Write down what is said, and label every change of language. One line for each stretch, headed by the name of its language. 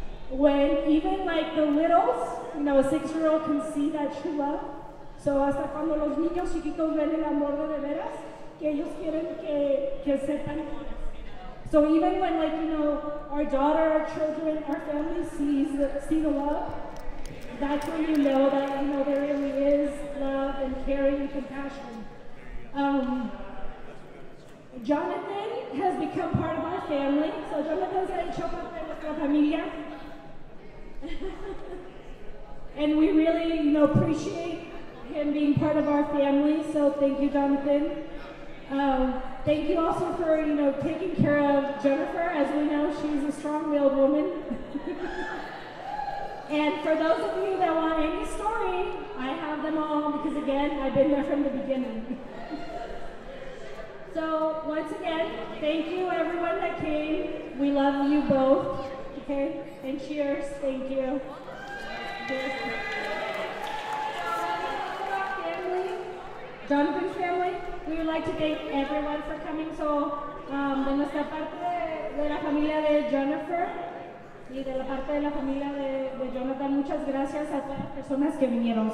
English: When even like the littles, you know, a six-year-old can see that true love.
Spanish: So hasta cuando los niños chiquitos ven el amor de veras, que ellos quieren que sepan.
English: So even when, like, you know, our daughter, our children, our family see the love, that's when you know that, you know, there really is love and caring and compassion. Jonathan has become part of our family. So Jonathan's getting choked up by
Spanish: nuestra familia.
English: And we really, you know, appreciate him being part of our family. So thank you, Jonathan. Thank you also for, you know, taking care of Jennifer. As we know, she's a strong-willed woman. And for those of you that want any story, I have them all because, again, I've been there from the beginning. So, once again, thank you everyone that came. We love you both, okay? And cheers, thank you. Cheers. Jonathan's family, we would like to thank everyone for coming.
Spanish: So, de nuestra parte de la familia de Jennifer y de la parte de la familia de Jonathan, muchas gracias a todas las personas que vinieron.